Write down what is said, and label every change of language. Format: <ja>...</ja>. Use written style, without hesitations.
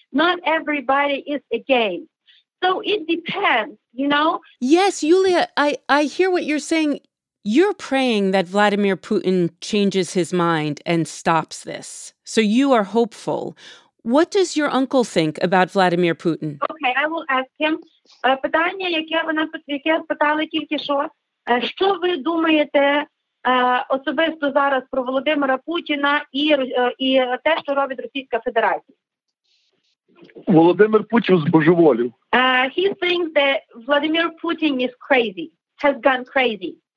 <en>Not everybody is against. So it depends, you know? Yes, Yulia, I hear what you're saying. You're praying that Vladimir Putin changes his mind and stops this. So you are hopeful. What does your uncle think about Vladimir Putin? Okay, I will ask him.</en> <uk>Питання, яке вона питала тільки що. Що ви думаєте особисто зараз про Володимира Путіна і те, що робить Російська Федерація? Володимир Путін збожеволів.</uk> <en>He thinks that Vladimir Putin is crazy, has gone crazy.</en>